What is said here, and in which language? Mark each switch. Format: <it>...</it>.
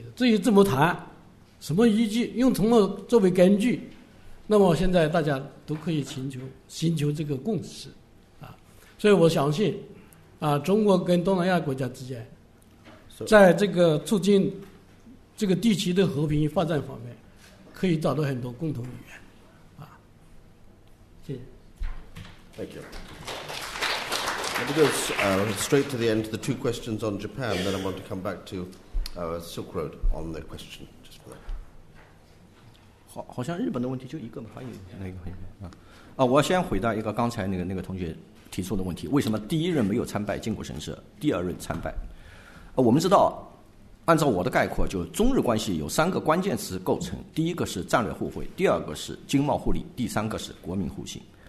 <zh>至于怎么谈，什么依据，用什么作为根据，那么现在大家都可以寻求这个共识，啊，所以我相信，中国跟东南亚国家之间，在这个促进这个地区的和平发展方面，可以找到很多共同语言。啊，谢谢。</zh> <en>Thank you. Let me go straight to the end of the two questions on Japan, then I want to come back to Silk Road on the question. Just for that.</en> <zh>好像日本的问题就一个嘛，还有那个我先回答一个刚才那个同学提出的问题，为什么第一任没有参拜靖国神社，第二任参拜？我们知道，按照我的概括，就中日关系有三个关键词构成，第一个是战略互惠，第二个是经贸互利，第三个是国民互信。</zh>